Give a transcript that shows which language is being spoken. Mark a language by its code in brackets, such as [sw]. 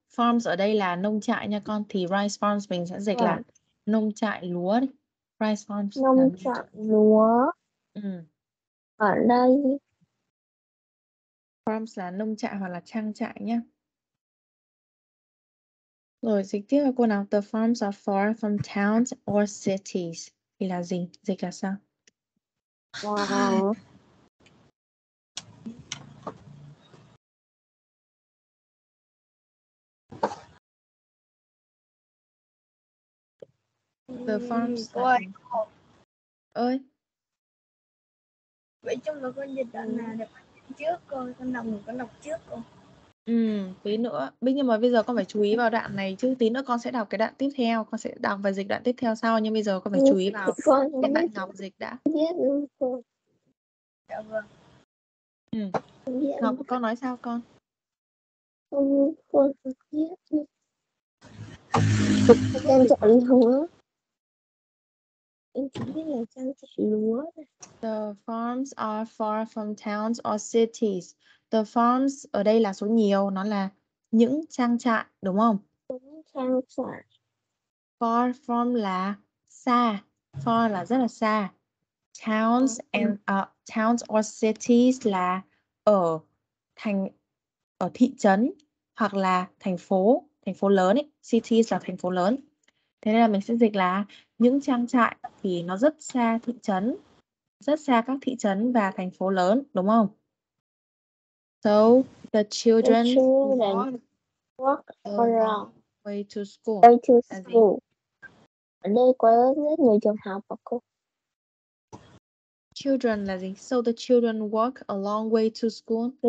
[vi] Farms ở đây là nông trại nha con. Thì rice farms mình sẽ dịch là nông trại lúa. [en] Rice farms. [vi] Nông trại lúa. Ừ. Ở đây. Farms là nông trại hoặc là trang trại nhá. Rồi, dịch tiếp là cô nào? [en] The farms are far from towns or cities. [vi] Thì là gì? Dịch là sao? Wow. [en] The farms. Ơi. [vi] Vậy chung là con dịch đoạn nào được trước con, con đọc mình con đọc trước con. Ừ, tí nữa. Nhưng mà bây giờ con phải chú ý vào đoạn này chứ. Tí nữa con sẽ đọc cái đoạn tiếp theo. Con sẽ đọc và dịch đoạn tiếp theo sau. Nhưng bây giờ con phải chú ý vào cái đoạn Ngọc dịch đã. Biết rồi con. Dạ vâng. Ừ. Ngọc, con nói sao con? Không, con biết. Trang trại lúa. Em chỉ biết là trang trại lúa. [en] The farms are far from towns or cities. [vi] The farms ở đây là số nhiều, nó là những trang trại, đúng không? Những trang trại. Far from là xa. Far là rất là xa. [en] Towns and towns or cities [vi] là ở thành, ở thị trấn hoặc là thành phố lớn ấy. Cities là thành phố lớn. Thế nên là mình sẽ dịch là những trang trại thì nó rất xa thị trấn, rất xa các thị trấn và thành phố lớn, đúng không? [en] So the children walk around way to school. Way to school. [vi] Ở đây có rất nhiều trường học ạ cô. Children là gì? [en] So the children walk a long way to school.